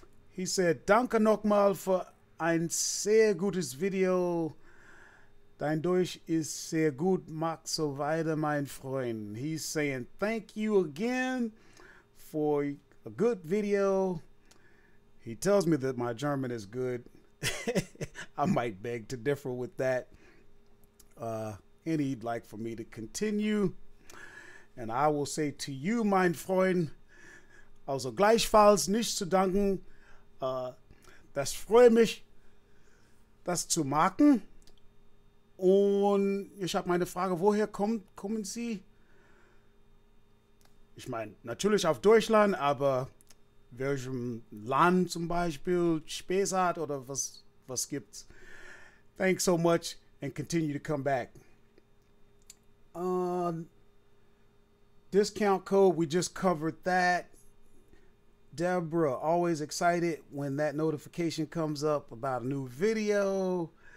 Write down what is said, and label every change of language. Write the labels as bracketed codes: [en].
[en] He said, [de] "Danke nochmal für ein sehr gutes Video. Dein Deutsch ist sehr gut. Mach so weiter, mein Freund." [en] He's saying, thank you again for a good video. He tells me that my German is good. I might beg to differ with that. And he'd like for me to continue. And I will say to you, [de] mein Freund, also gleichfalls nicht zu danken, das freue mich, das zu machen. Und ich habe meine Frage, woher kommen Sie? Ich meine, natürlich auf Deutschland, aber welchem Land zum Beispiel, Spessart oder was gibt's? [en] Thanks so much and continue to come back. Discount code, we just covered that. Deborah, always excited when that notification comes up about a new video.